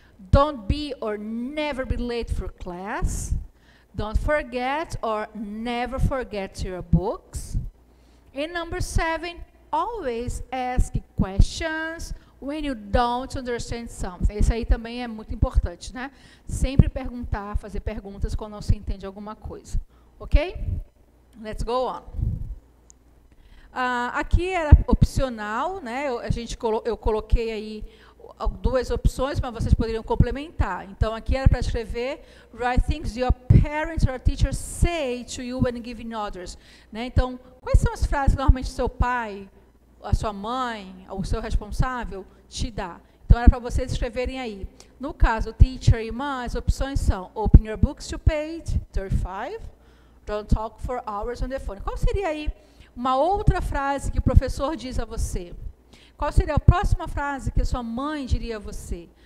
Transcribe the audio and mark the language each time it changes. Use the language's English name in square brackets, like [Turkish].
[English] Don't be or never be late for class. Don't forget or never forget your books. And number 7, always ask questions when you don't understand something. [Portuguese] Isso aí também é muito importante, né? Sempre perguntar, fazer perguntas quando não se entende alguma coisa. Ok? [English] Let's go on. [Portuguese] Aqui era opcional, né? Eu coloquei aí duas opções, mas vocês poderiam complementar. Então, aqui era para escrever [English] write things your parents or teachers say to you when giving orders. [Portuguese] Né? Então, quais são as frases que normalmente seu pai, a sua mãe, o seu responsável te dá? Então, era para vocês escreverem aí. No caso, teacher e mãe, as opções são [English] open your books to page 35, don't talk for hours on the phone. [Portuguese] Qual seria aí uma outra frase que o professor diz a você? Qual seria a próxima frase que a sua mãe diria a você?